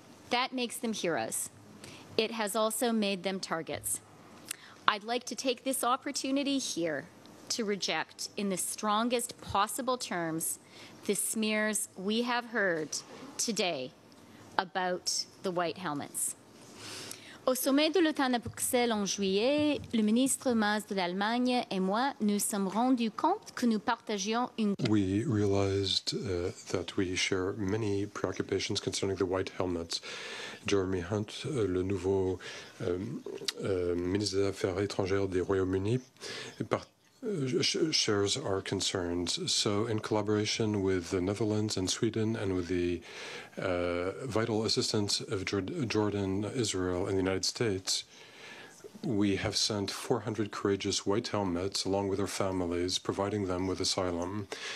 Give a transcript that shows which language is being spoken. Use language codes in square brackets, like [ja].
[en] That makes them heroes. It has also made them targets. I'd like to take this opportunity here to reject, in the strongest possible terms, the smears we have heard today about the White Helmets. [fr] Au sommet de l'OTAN à Bruxelles en juillet, le ministre Maas de l'Allemagne et moi nous sommes rendus compte que nous partagions une... [en] We realized that we share many preoccupations concerning the White Helmets. [fr] Jeremy Hunt, le nouveau ministre des Affaires étrangères du Royaume-Uni, [en] shares our concerns. So in collaboration with the Netherlands and Sweden and with the vital assistance of Jordan, Israel and the United States, we have sent 400 courageous White Helmets along with their families, providing them with asylum.